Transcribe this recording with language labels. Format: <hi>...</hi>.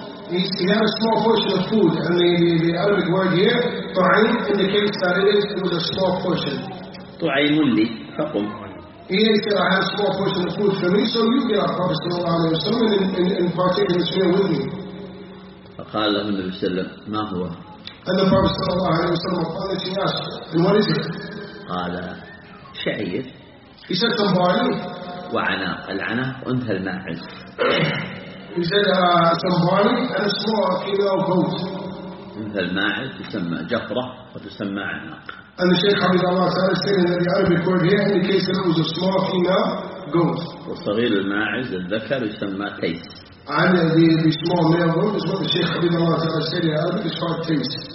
<en>He had a small portion of food, and the Arabic word here, طعيم, indicates that it was a small portion.</en> <ar>طعيم لي فقم.</ar> <en>He said, I have a small portion of food for me, so you get up, Prophet صلى الله عليه وسلم, and partake in this meal with me.</en> <ar>فقال له النبي صلى الله عليه وسلم, ما هو؟</ar> <en>And the Prophet صلى الله عليه وسلم replied, she asked, and what is it?</en> <ar>قال شعير.</ar> <en>He said, some barley.</en> <ar>وعناق العنق أنثى الماعز.</ar> <en>He said, some barley and a small kilo of goat.</en> <ar>أنثى الماعز تسمى جفرة وتسمى عناق.</ar> <en>And the Shaykh حفظه الله تعالى said in the Arabic word here in the case that it was a small female goat.</en> <ar>وصغير الماعز الذكر يسمى تيس.</ar> <en>And the small male goat is what the Shaykh حفظه الله تعالى said in the Arabic is called تيس.</en>